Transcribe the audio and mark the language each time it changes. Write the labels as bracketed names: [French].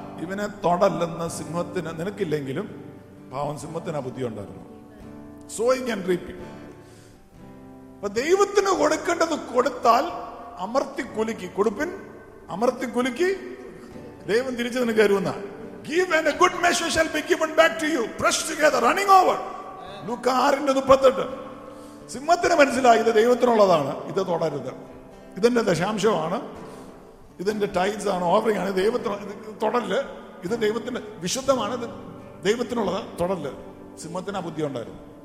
[Malayalam] ഇവനെ തൊടല്ലെന്ന് സിംഹത്തിന് നിനക്കില്ലെങ്കിലും പാവം സിംഹത്തിന് ആ ബുദ്ധി ഉണ്ടായിരുന്നു. [English] Sowing and reaping. [Malayalam] അപ്പൊ ദൈവത്തിന് കൊടുക്കേണ്ടത് കൊടുത്താൽ അമർത്തി കുലുക്കി കൊടുപ്പിൻ, അമർത്തി കുലുക്കി ദൈവം തിരിച്ചു നിനക്ക് തരുമെന്നാ. [English] Give and a good measure shall be given back to you, pressed together, running over. Luke 6:38. [Malayalam] സിംഹത്തിന് മനസ്സിലായി ഇത് ദൈവത്തിനുള്ളതാണ്, ഇത് തൊടരുത്, ഇതിന്റെ ദശാംശമാണ്, ഇതിന്റെ ടൈൽസ് ആണ്, ഓഫറിംഗ് ആണ്, ദൈവത്തിന് തൊടല്ല്, ഇത് ദൈവത്തിന് വിശുദ്ധമാണ്, ഇത് ദൈവത്തിനുള്ളതാണ്, തൊടല്ല്. സിംഹത്തിന് ആ ബുദ്ധി ഉണ്ടായിരുന്നു.